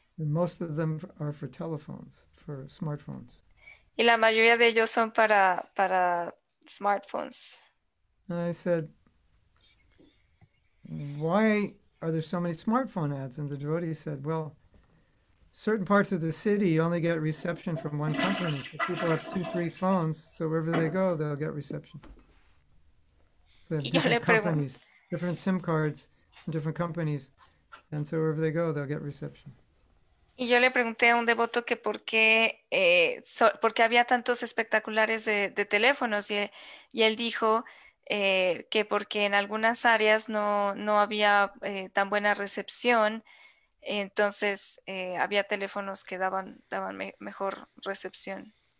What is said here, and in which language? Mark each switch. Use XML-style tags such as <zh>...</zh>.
<en>And most of them are for telephones, for smartphones.</en> <es>Y la mayoría de ellos son para smartphones.</es> <en>And I said, why are there so many smartphone ads? And the devotee said, well, certain parts of the city only get reception from one company. So people have 2-3 phones, so wherever they go, they'll get reception. They have different companies, different SIM cards from different companies, and so wherever they go, they'll get reception.</en> <es>Y yo le pregunté a un devoto que por qué había tantos espectaculares de teléfonos y él dijo que porque en algunas áreas no había tan buena recepción, entonces había teléfonos que daban mejor recepción.</es>